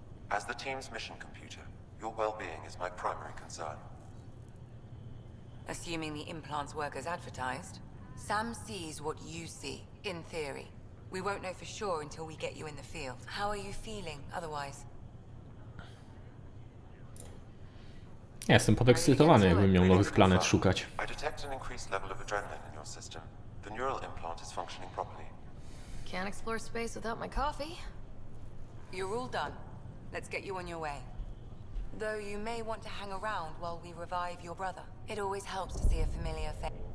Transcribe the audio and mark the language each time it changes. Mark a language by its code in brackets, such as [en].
[en] As the team's mission computer, your well-being is my primary concern. Assuming the implants work as advertised, Sam sees what you see, in theory. We won't know for sure until we get you in the field. How are you feeling otherwise? [pl] Ja jestem podekscytowany, jakbym miał nowych planet szukać. [en] I detect an increased level of adrenaline in your system. The neural implant is functioning properly. Can't explore space without my coffee. You're all done. Let's get you on your way. Though you may want to hang around while we revive your brother. It always helps to see a familiar face.